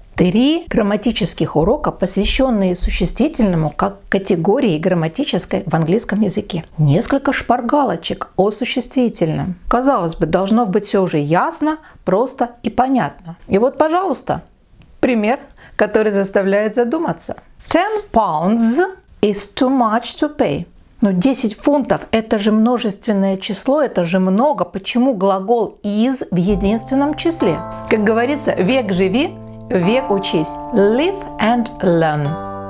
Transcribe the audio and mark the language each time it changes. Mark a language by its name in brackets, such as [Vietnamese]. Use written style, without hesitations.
[Russian] три грамматических урока, посвященные существительному как категории грамматической в английском языке. Несколько шпаргалочек о существительном. Казалось бы, должно быть все уже ясно, просто и понятно. И вот, пожалуйста, пример, который заставляет задуматься. [English] 10 pounds is too much to pay. [Russian] Но 10 фунтов – это же множественное число, это же много. Почему глагол is в единственном числе? Как говорится, век живи, век учись. [English] Live and learn.